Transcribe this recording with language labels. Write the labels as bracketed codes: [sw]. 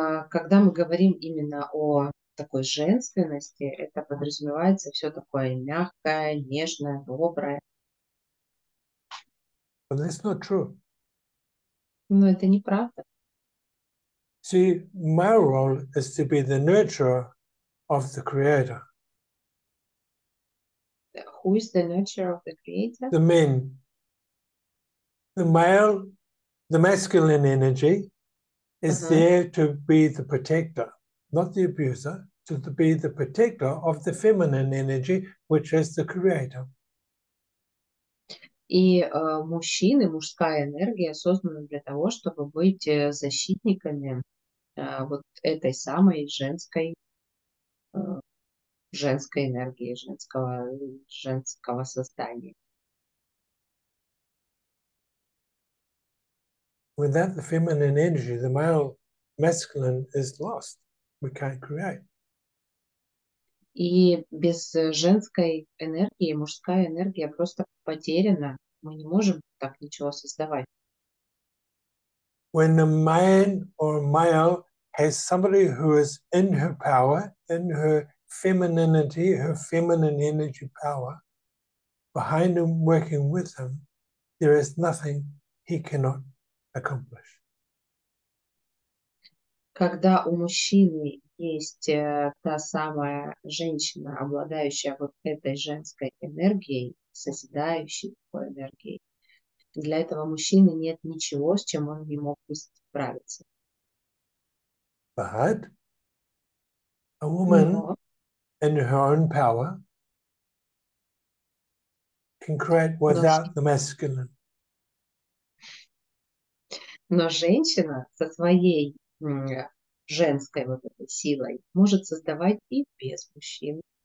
[ru] Когда мы говорим именно о такой женственности, это подразумевается все такое мягкое, нежное, доброе. [en] But that's not true. [ru] Но это неправда. [en] See, my role is to be the nurturer of the creator. Who is the nurturer of the creator? The men. The male, the masculine energy is there to be the protector, not the abuser, to be the protector of the feminine energy, which is the creator. [ru] И мужчины, мужская энергия созданы для того, чтобы быть защитниками вот этой самой женской энергии, женского создания. [en] Without the feminine energy, the male masculine is lost. We can't create. [ru] И без женской энергии мужская энергия просто потеряна. Мы не можем так ничего создавать. [en] When a man or a male has somebody who is in her power, in her femininity, her feminine energy power, behind him, working with him, there is nothing he cannot accomplish. [ru] Когда у мужчины есть та самая женщина, обладающая вот этой женской энергией, созидающей такой энергией, для этого мужчины нет ничего, с чем он не мог бы справиться. [en] But a woman in her own power can create without the masculine. [ru] Но женщина со своей женской вот этой силой может создавать и без мужчин.